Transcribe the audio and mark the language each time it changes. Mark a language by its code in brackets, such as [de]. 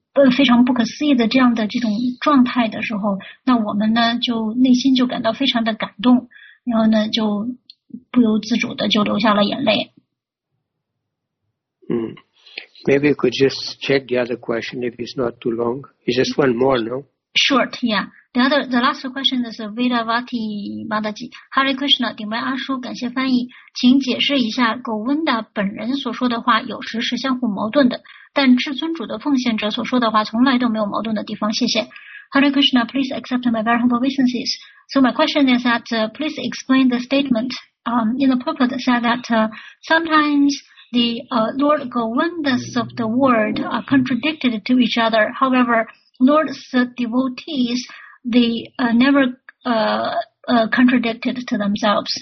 [zh] 非常不可思议的这样的这种状态的时候，那我们呢就内心就感到非常的感动，然后呢就不由自主的就流下了眼泪。 [en] Maybe you could just check the other question if it's not too long. It's just one more, no? Short, yeah. The last question is Vedavati Madaji. [zh] Hare Krishna, 顶白阿叔，感谢翻译。请解释一下 Govinda 本人所说的话有时是相互矛盾的，但至尊主的奉献者所说的话从来都没有矛盾的地方。谢谢。 [en] Hare Krishna, please accept my very humble obeisances. So my question is that please explain the statement in the purport said that sometimes... Lord Govindas of the world are contradicted to each other. However, Lord's devotees, they never contradicted to themselves.